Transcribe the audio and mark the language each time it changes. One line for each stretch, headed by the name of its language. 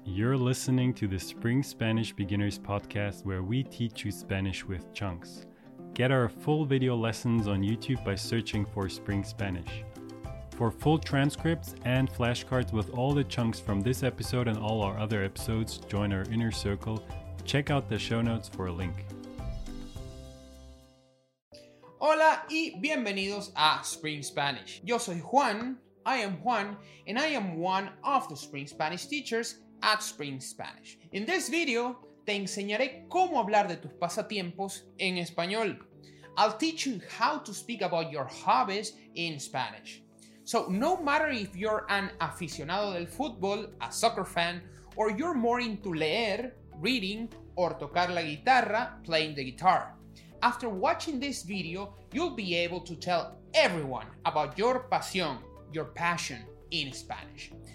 English: You're listening to the Spring Spanish Beginners podcast where we teach you Spanish with chunks. Get our full video lessons on YouTube by searching for Spring Spanish. For full transcripts and flashcards with all the chunks from this episode and all our other episodes, join our inner circle. Check out the show notes for a link.
Spanish: Hola y bienvenidos a Spring Spanish. Yo soy Juan.
English: I am Juan, and I am one of the Spring Spanish teachers at Spring Spanish. In this video,
Spanish: te enseñaré cómo hablar de tus pasatiempos en español.
English: I'll teach you how to speak about your hobbies in Spanish. So, no matter if you're an
Spanish: aficionado del fútbol,
English: a soccer fan, or you're more into leer, reading, or
Spanish: tocar la guitarra,
English: playing the guitar. After watching this video, you'll be able to tell everyone about your pasión, your passion in Spanish.